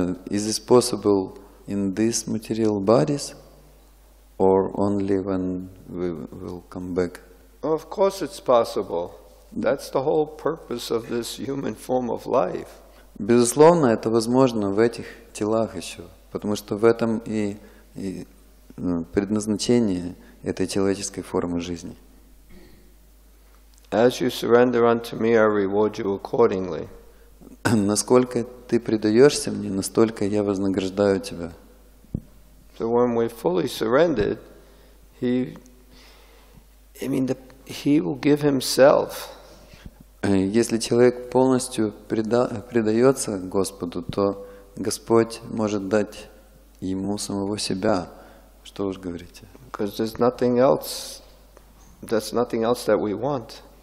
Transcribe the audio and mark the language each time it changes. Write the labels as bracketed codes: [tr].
[en] Is this possible in these material bodies, or only when we will come back? Of course, it's possible. That's the whole purpose of this human form of life. [ru] Безусловно, это возможно в этих телах еще, потому что в этом и предназначение этой человеческой формы жизни. [en] As you surrender unto me, I reward you accordingly. [ru] Наскільки ти предаєшся мені, настільки я вознаграждаю тебе. [en] So when we fully surrendered, he will give himself. [ru] Если человек полностью предается Господу, то Господь может дать ему самого себя. Что уж говорить? [en] Because there's nothing else that we want.